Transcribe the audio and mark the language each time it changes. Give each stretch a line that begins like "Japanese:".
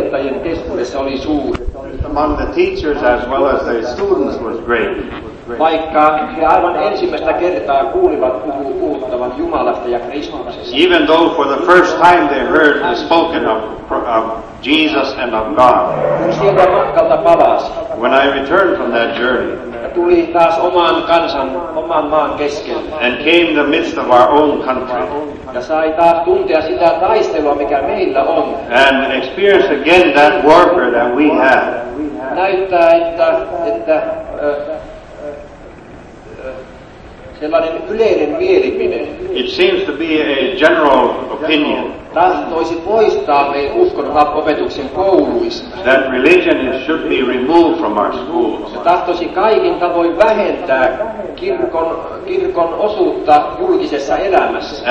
English: Among the teachers as well as the students was great.
Finnish: Vaikka he aivan ensimmäistä kertaa kuulivat puhuttavan Jumalasta ja Kristuksesta.
English: Even though for the first time they heard the spoken of Jesus and of God.
Finnish: Kun sieltä matkalta palasi.
English: When I returned from that journey.
Finnish: Tuli taas oman kansan, oman maan keskelle.
English: And came the midst of our own country.
Finnish: Ja sai taas tuntea sitä taistelua, mikä meillä on.
English: And experience again that warfare that we have.
Finnish: Näyttää, että sellainen yleinen mielipide.
English: It seems to be a general opinion.
Finnish: Tahtoisi poistaa meidän uskonopetuksen kouluista.
English: That religion should be removed from our schools.
Finnish: Tahtoisi kaikin tavoin vähentää kirkon osuutta julkisessa elämässä.